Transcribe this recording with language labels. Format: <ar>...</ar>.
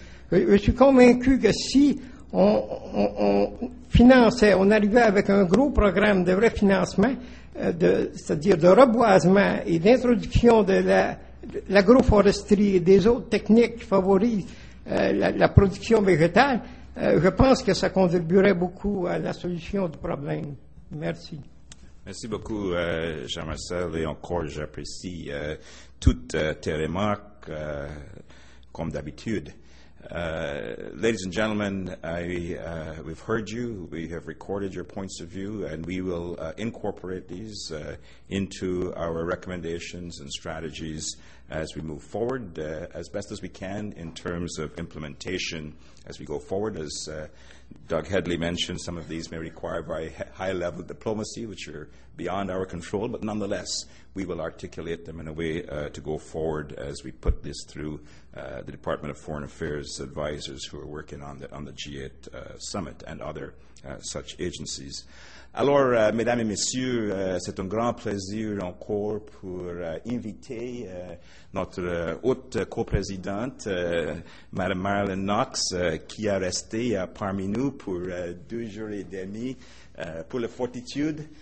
<fr>Je suis convaincu que si on finançait, on arrivait avec un gros programme de vrai financement, c'est-à-dire de reboisement et d'introduction de l'agroforesterie et des autres techniques qui favorisent la production végétale, je pense que ça contribuerait beaucoup à la solution du problème. Merci. Merci beaucoup, Jean-Marcel, et encore j'apprécie toutes tes remarques, comme d'habitude.</fr> <en>Ladies and gentlemen, we've heard you, we have recorded your points of view, and we will incorporate these into our recommendations and strategies as we move forward, as best as we can in terms of implementation as we go forward. As Doug Headley mentioned, some of these may require very high-level diplomacy, which are beyond our control, but nonetheless, we will articulate them in a way to go forward as we put this through the Department of Foreign Affairs advisors who are working on the G8 summit and other such agencies.</en> <fr>Alors, mesdames et messieurs, c'est un grand plaisir encore pour inviter notre haute coprésidente, Madame Marilyn Knox, qui a resté parmi nous pour deux jours et demi pour la fortitude.</fr>